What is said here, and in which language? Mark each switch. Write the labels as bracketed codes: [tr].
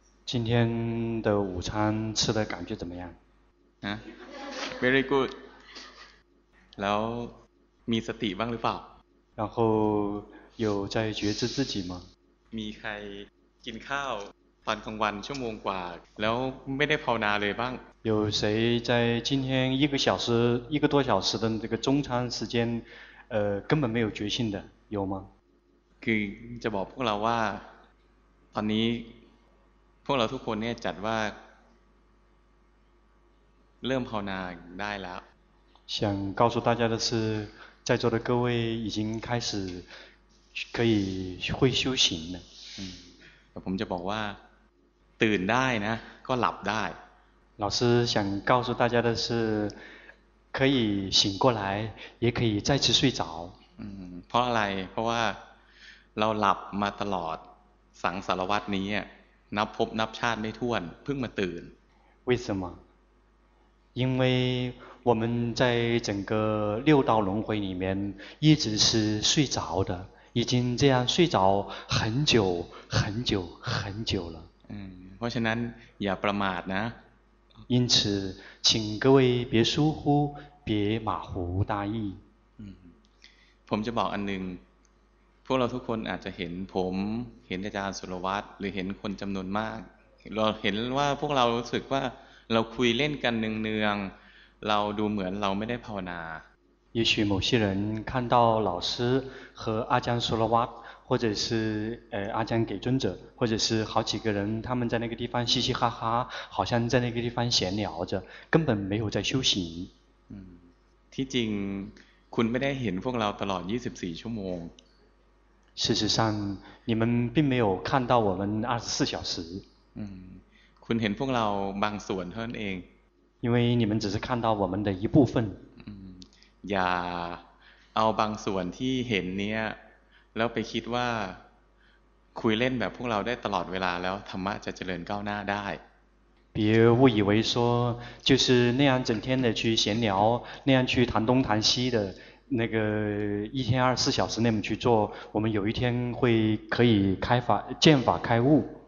[zh] 今天的午餐吃的感觉怎么样？ [th] ฮะ [en] very good [th] แล้วมีสติบ้างหรือเปล่า [zh] 然后有在觉知自己吗？ [th] มีใครกินข้าวตอนกลางวันชั่วโมงกว่าแล้วไม่ได้ภาวนาเลยบ้าง [zh] 有谁在今天一个小时一个多小时的这个中餐时间根本没有决心的有吗？ [th] คือจะบอกพวกเราว่าตอนนี้พวกเราทุกคนเนี่ยจัดว่าเริ่มภาวนาได้แล้ว [zh] 想告诉大家的是在座的各位已经开始可以会修行了 [th] ผมจะบอกว่าตื่นได้นะก็หลับได้ [zh] 老师想告诉大家的是可以醒过来也可以再次睡着 [th] เพราะอะไรเพราะว่าเราหลับมาตลอดสังสารวัฏนี้นับภพนับชาติไม่ถ้วนเพิ่งมาตื่น [zh] 为什么因为我们在整个六道轮回里面一直是睡着的已经这样睡着很久很久很久了 [th] เพราะฉะนั้นอย่าประมาทนะ [zh] 因此请各位别疏忽别马虎大意 [th] ผมจะบอกอันหนึ่งพวกเราทุกคนอาจจะเห็นผมเห็นอาจารย์สุรวัตรหรือเห็นคนจำนวนมากเราเห็นว่าพวกเรารู้สึกว่าเราคุยเล่นกันเนืองๆเราดูเหมือนเราไม่ได้ภาวนา [zh] 也许某些人看到老师和阿江苏罗瓦或者是阿江给尊者或者是好几个人他们在那个地方嘻嘻哈哈好像在那个地方闲聊着根本没有在修行 [th] ที่จริงคุณไม่ได้เห็นพวกเราตลอด24ชั่วโมง [zh] 事实上你们并没有看到我们24小时 [th] คุณเห็นพวกเราบางส่วนเท่านั้นเอง [zh] 因为你们只是看到我们的一部分 [th] อย่าเอาบางส่วนที่เห็นเนี้ยแล้วไปคิดว่าคุยเล่นแบบพวกเราได้ตลอดเวลาแล้วธรรมะจะเจริญก้าวหน้าได้ [zh] 别误以为说就是那样整天的去闲聊那样去谈东谈西的那个一天二十四小时那么去做我们有一天会可以开法见法开悟